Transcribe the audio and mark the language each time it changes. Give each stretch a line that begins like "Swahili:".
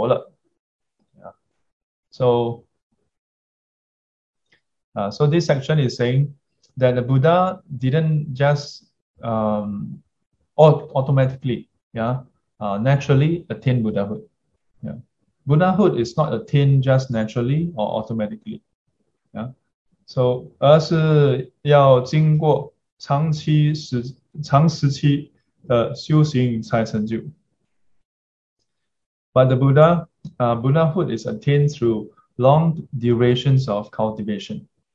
Chinese: 这一段是说，佛并不是自然的就成佛了。
English: So, so this section is saying that the Buddha didn't just automatically, naturally attain Buddhahood. Buddhahood is not attained just naturally or automatically. Yeah?
Chinese: So, 而是要经过长时期的修行才成就.
English: But the Buddha, Buddhahood is attained through long durations of cultivation.